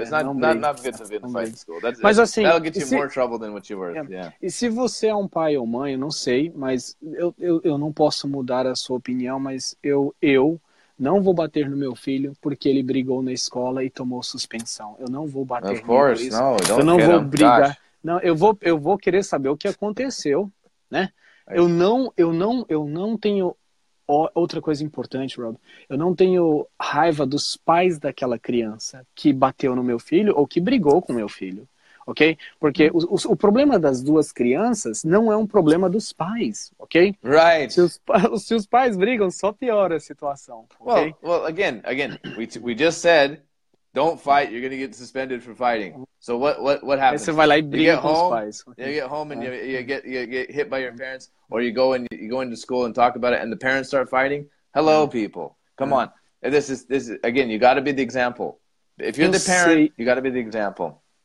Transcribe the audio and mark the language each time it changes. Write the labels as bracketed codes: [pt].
[en] It's not good to be in fight in school. That's, [pt] mas assim, [en] that'll get you more trouble than what you're worth. Yeah. [pt] E se você é um pai ou mãe, eu não sei, mas eu não posso mudar a sua opinião, mas eu não vou bater no meu filho porque ele brigou na escola e tomou suspensão. Eu não vou bater no meu filho. Não, eu não vou brigar. Não, eu vou querer saber o que aconteceu, né? Eu não tenho... Outra coisa importante, Rob, eu não tenho raiva dos pais daquela criança que bateu no meu filho ou que brigou com meu filho, ok? Porque o problema das duas crianças não é um problema dos pais, ok? Right. Se os pais brigam, só piora a situação, ok? [en] Well, again, we just said, don't fight, you're going to get suspended for fighting. So what happens? [pt] Você vai lá e briga com os pais. [en] You get home and you get hit by your parents. Or you go and you go into school and talk about it, and the parents start fighting. Hello, people. Come on. This is again. You got to be the example. If you're the parent, you got to be the example.